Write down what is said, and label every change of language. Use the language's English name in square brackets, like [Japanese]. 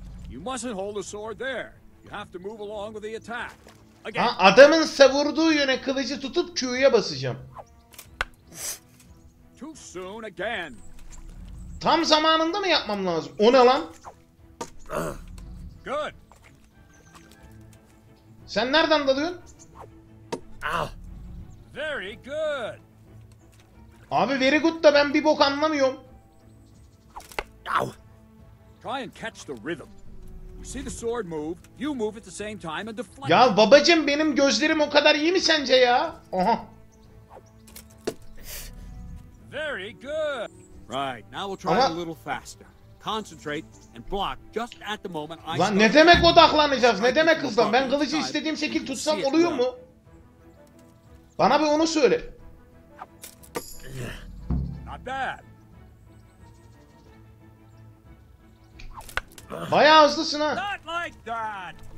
[English] You mustn't hold the sword there. You have to move along with the attack. Again. [Turkish] Ha, adamın savurduğu yöne kılıcı tutup Q'ya basacağım. [English] Too soon again. [Turkish] Tam zamanında mı yapmam lazım? O ne lan? [English] Good. [Turkish] Sen nereden dalıyorsun? [English] Ah. Very good. [Turkish] Abi [English] very good [Turkish] da ben bir bok anlamıyorum. [English] Ow. Try and catch the rhythm. You see the sword move, you move at the same time and deflect. [Turkish] Ya babacım benim gözlerim o kadar iyi mi sence ya? [English] Aha. Very good. Right, now we'll try a little faster. Concentrate and block just at the moment I. [Turkish] Lan ne demek odaklanacağız? Ne demek hızlan? Ben kılıcı istediğim şekil tutsam oluyor mu? Bana bir onu söyle. [English] Not bad. [Turkish] Bayağı hızlısın ha. [English] Not like that.